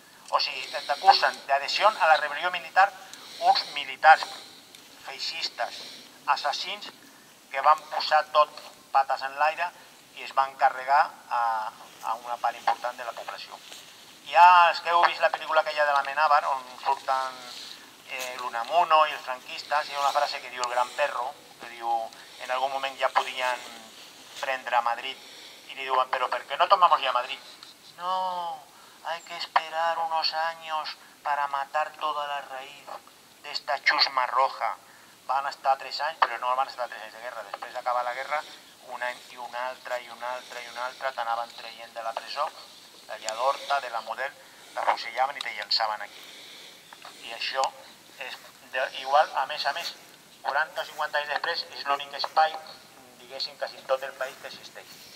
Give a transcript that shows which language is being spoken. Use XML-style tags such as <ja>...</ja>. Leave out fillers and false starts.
<ca>O sigui, et acusen d'adhesió a la rebel·lió militar uns militars feixistes, assassins, que van posar tot pates en l'aire i es van carregar a una part important de la població. Hi ha els que heu vist la pel·lícula aquella de la Amenábar, on surten l'Unamuno i els franquistes, hi ha una frase que diu el gran perro, que diu, en algun moment ja podien prendre a Madrid, i li diuen, però per què</ca> <es>no tomamos ya Madrid? No, hay que esperar unos años para matar toda la raíz de esta chusma roja.</es> <ca>Van estar 3 anys, però no van estar 3 anys de guerra. Després d'acabar la guerra, un any i un altre, i un altre, i un altre, t'anaven traient de la presó, d'allà d'Horta, de la Model, t'afusellaven i te llançaven aquí. I això és de, igual, a més, 40 o 50 anys després, és l'únic espai, diguéssim, quasi tot el país que existeix.</ca>